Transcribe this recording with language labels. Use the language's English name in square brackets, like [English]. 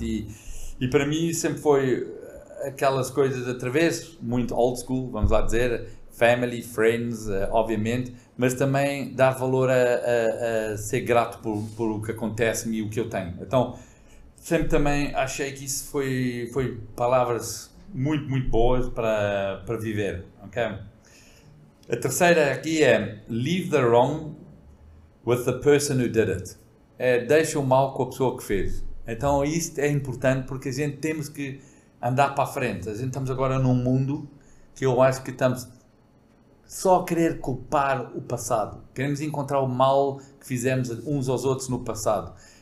[Portuguese] E para mim sempre foi aquelas coisas através, muito [English] old school, [Portuguese] vamos lá dizer, [English] family, friends, [Portuguese] obviamente, mas também dar valor a ser grato por o que acontece-me e o que eu tenho. Então, sempre também achei que isso foi palavras muito, muito boas para viver, ok? A terceira aqui é [English] leave the wrong with the person who did it. [Portuguese] É, deixa o mal com a pessoa que fez. Então, isto é importante porque a gente temos que andar para a frente. A gente estamos agora num mundo que eu acho que estamos só a querer culpar o passado. Queremos encontrar o mal que fizemos uns aos outros no passado.